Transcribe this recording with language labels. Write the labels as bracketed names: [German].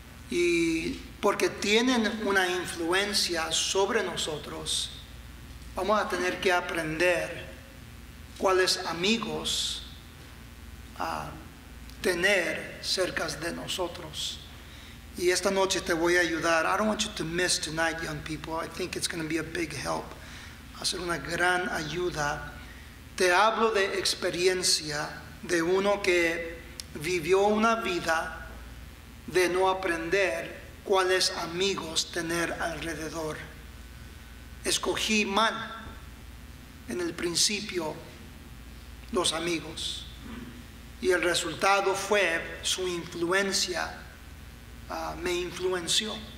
[Spanish] Y porque tienen una influencia sobre nosotros, vamos a tener que aprender cuáles amigos tener cerca de nosotros. Y esta noche te voy a ayudar. [English] I don't want you to miss tonight, young people. I think it's going to be a big help. [Spanish] Va a ser una gran ayuda. Te hablo de experiencia de uno que vivió una vida de no aprender cuáles amigos tener alrededor. Escogí mal en el principio los amigos y el resultado fue su influencia me influenció.